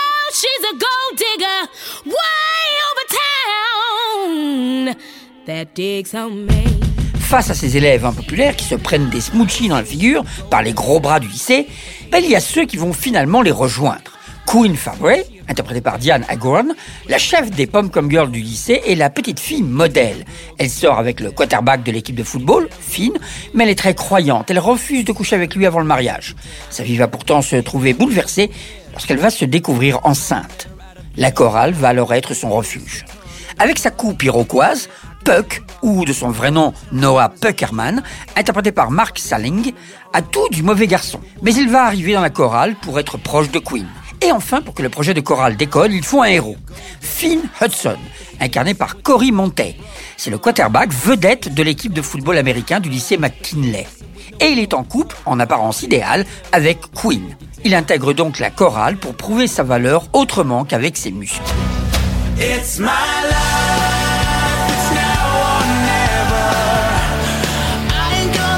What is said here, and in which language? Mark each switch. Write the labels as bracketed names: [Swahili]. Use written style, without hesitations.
[English] She's a gold digger way over town that digs on me. [French] Face à ces élèves impopulaires qui se prennent des smoochies dans la figure par les gros bras du lycée, ben il y a ceux qui vont finalement les rejoindre. Queen Favre, interprétée par Diane Agron, la chef des pom-com girls du lycée, est la petite fille modèle. Elle sort avec le quarterback de l'équipe de football, Finn, mais elle est très croyante. Elle refuse de coucher avec lui avant le mariage. Sa vie va pourtant se trouver bouleversée lorsqu'elle va se découvrir enceinte. La chorale va alors être son refuge. Avec sa coupe iroquoise, Puck, ou de son vrai nom Noah Puckerman, interprété par Mark Salling, a tout du mauvais garçon. Mais il va arriver dans la chorale pour être proche de Queen. Et enfin, pour que le projet de chorale décolle, il faut un héros. Finn Hudson, incarné par Cory Monteith. C'est le quarterback vedette de l'équipe de football américain du lycée McKinley. Et il est en couple, en apparence idéale, avec Queen. Il intègre donc la chorale pour prouver sa valeur autrement qu'avec ses muscles. [English] It's my love. It's now or never. I ain't